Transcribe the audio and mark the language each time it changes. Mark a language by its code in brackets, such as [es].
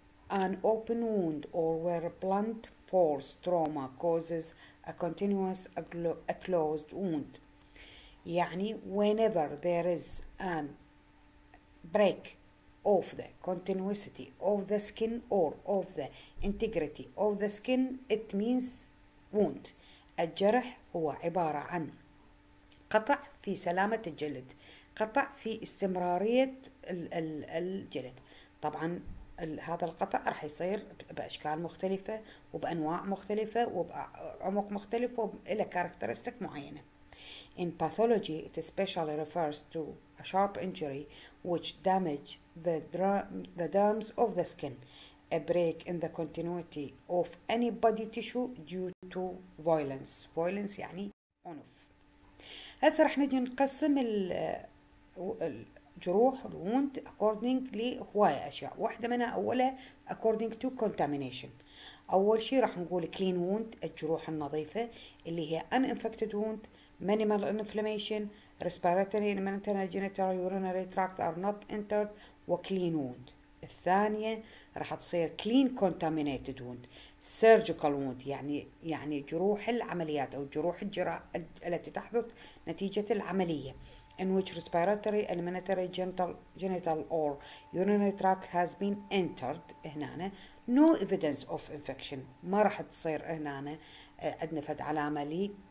[en] An open wound or where blunt force trauma causes a continuous a closed wound. يعني whenever there is a break of the continuity of the skin or of the integrity of the skin it means wound. [ar] الجرح هو عبارة عن قطع في سلامة الجلد، قطع في استمرارية الجلد. طبعا هذا القطع راح يصير بأشكال مختلفة وبأنواع مختلفة وبعمق مختلف وإلى كاركترستيك معينة. [en] In pathology, it especially refers to a sharp injury which damages the dermis of the skin, a break in the continuity of any body tissue due to violence. [ar] Violence يعني عنف. هسه رح نجي نقسم الجروح الوند according لهواية أشياء. واحدة منها أولها [en] according to contamination. [ar] أول شيء رح نقول [en] clean wound، [ar] الجروح النظيفة اللي هي [en] uninfected wound. Minimal inflammation, respiratory and maternal genital urinary tract are not entered, وclean wound. [ar] الثانية راح تصير [en] clean contaminated wound, surgical wound [ar] يعني جروح العمليات أو جروح الجراحة التي تحدث نتيجة العملية. [en] In which respiratory and maternal genital or urinary tract has been entered, هنا no evidence of infection. [ar] ما راح تصير هنا عندنا فد علامة لي.